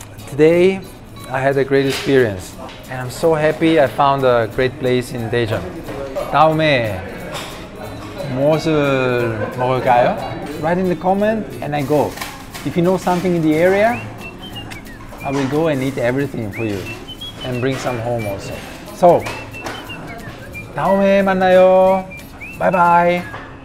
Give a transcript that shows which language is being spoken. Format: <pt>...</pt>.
<en>Today I had a great experience and I'm so happy I found a great place in Daejeon.</en> <ko>다음에 무엇을 먹을까요?</ko> <en>Write in the comment and I go. If you know something in the area, I will go and eat everything for you and bring some home also. So,</en> <ko>다음에 만나요.</ko> <en>Bye bye.</en>